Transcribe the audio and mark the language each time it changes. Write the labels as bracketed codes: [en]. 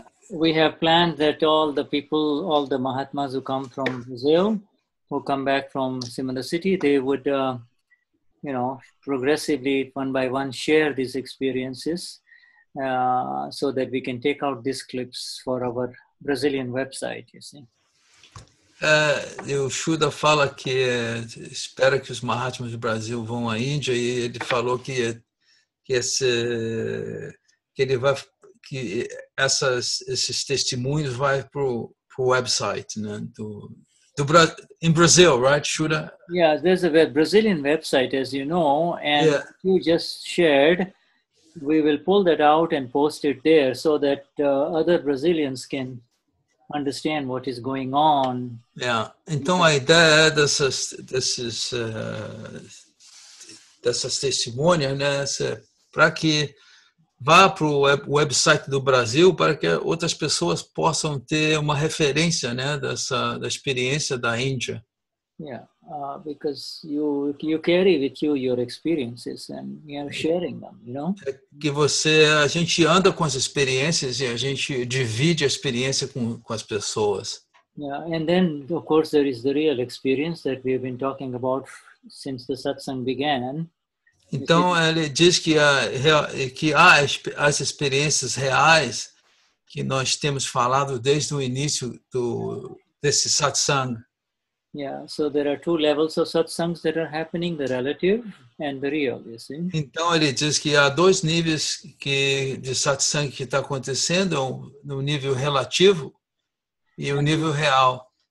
[en] We have planned that all the people, all the Mahatmas who come from Brazil, who come back from Simandou City, they would, you know, progressively, one by one, share these experiences so that we can take out these clips for our Brazilian website, you see. [pt] E o Shuda fala que espera que os Mahatmas do Brasil vão à Índia e ele falou que esses testemunhos vai pro website, né, do Brasil, [en] in Brazil, right, [pt] Shuda? [en] Yeah, there's a Brazilian website, as you know, and yeah. You just shared. We will pull that out and post it there so that other Brazilians can understand what is going on. Yeah. [pt] Então a ideia é dessas testemunhas, né, para que vá pro website do Brasil para que outras pessoas possam ter uma referência, né, da experiência da Índia. [en] Yeah. Because you carry with you your experiences and you're sharing them, you know? [pt] É que você, a gente anda com as experiências e a gente divide a experiência com as pessoas. [en] Yeah, and then, of course, there is the real experience that we've been talking about since the satsang began. [pt] Então, ele diz que as experiências reais que nós temos falado desde o início desse satsang. [en] Yeah, so there are two levels of satsangs that are happening, the relative and the real, you see. [pt] Então ele diz que há dois níveis de satsang que está acontecendo, no nível relativo e o nível real.